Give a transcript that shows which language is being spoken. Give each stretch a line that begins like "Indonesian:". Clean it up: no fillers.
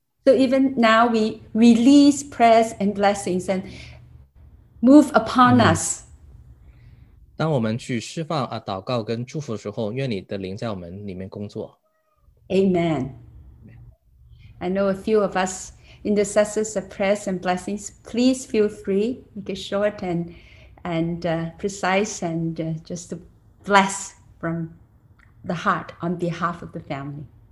English: So even now we release prayers and blessings and move upon us.
Chinese: 当我们去释放祷告跟祝福的时候, 愿你的灵在我们里面工作。
English: Amen. I know a few of us intercessors of prayers and blessings. Please feel free, make it short and precise and just to bless from the heart on behalf of the family.